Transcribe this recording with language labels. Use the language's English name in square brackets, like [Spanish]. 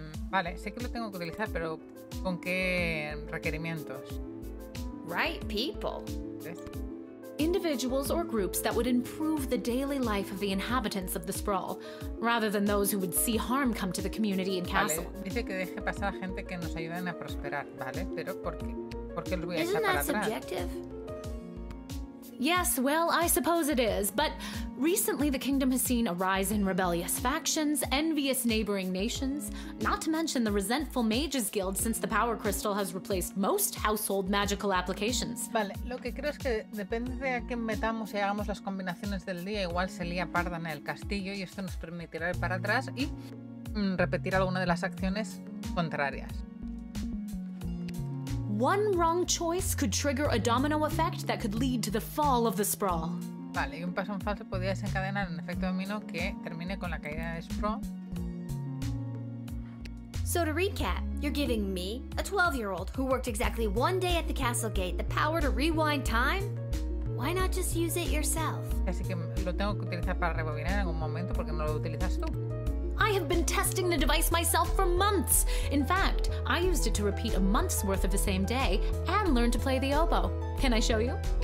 [Spanish] Vale, sé que lo tengo que utilizar, pero ¿con qué requerimientos? [English] Right people. [Spanish] ¿Ves? [English] Individuals or groups that would improve the daily life of the inhabitants of the sprawl, rather than those who would see harm come to the community and castle. [Spanish] Vale. Dice que deje pasar a gente que nos ayuden a prosperar, vale, pero ¿por qué los voy a echar para [English] Isn't that subjective? Yes, well, I suppose it is, but recently the kingdom has seen a rise in rebellious factions, envious neighboring nations, not to mention the resentful mages guild since the power crystal has replaced most household magical applications. [Spanish] Vale, lo que creo es que depende de a quién metamos y hagamos las combinaciones del día, igual se lía parda en el castillo y esto nos permitirá ir para atrás y repetir alguna de las acciones contrarias. [English] One wrong choice could trigger a domino effect that could lead to the fall of the sprawl. [Spanish] Vale, y un paso en falso podría desencadenar un efecto domino que termine con la caída de sprawl. [English] So to recap, you're giving me, a 12-year-old who worked exactly one day at the castle gate, the power to rewind time? Why not just use it yourself? [Spanish] Así que lo tengo que utilizar para rebobinar en algún momento porque no lo utilizas tú. [English] I have been testing the device myself for months. In fact, I used it to repeat a month's worth of the same day and learn to play the oboe. Can I show you?